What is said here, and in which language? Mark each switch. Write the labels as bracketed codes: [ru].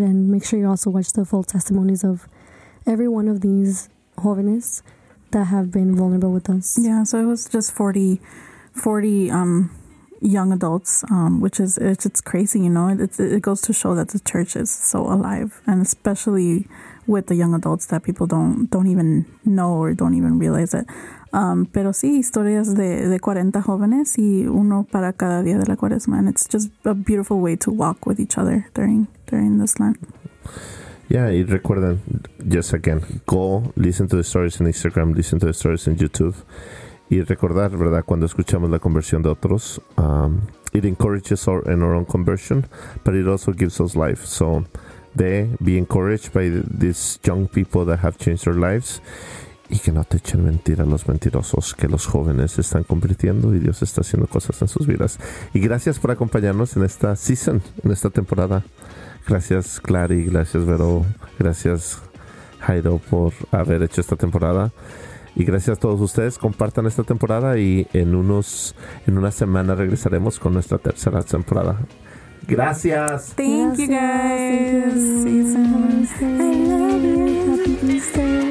[en] And make sure you also watch the full testimonies of every one of these jóvenes that have been vulnerable with us. Yeah, so it was just 40 young adults, which is it's crazy, you know. It goes to show that the church is so alive, and especially with the young adults that people don't even know or don't even realize it. [es] Pero sí, historias de 40 jóvenes y uno para cada día de la cuaresma. [en] And it's just a beautiful way to walk with each other during this Lent. Yeah, y recuerden, just again, go listen to the stories on Instagram, listen to the stories on YouTube. Y recordar, ¿verdad?, cuando escuchamos la conversión de otros, it encourages our in our own conversion, but it also gives us life. So they be encouraged by these young people that have changed their lives. [es] Y que no te echen mentira los mentirosos, que los jóvenes están convirtiendo y Dios está haciendo cosas en sus vidas. Y gracias por acompañarnos en esta season, en esta temporada. Gracias, Clary, gracias, Vero, gracias, Jairo, por haber hecho esta temporada. Y gracias a todos ustedes, compartan esta temporada y en una semana regresaremos con nuestra tercera temporada. Gracias. [en] Thank you guys. See you soon. I love you. Happy Easter.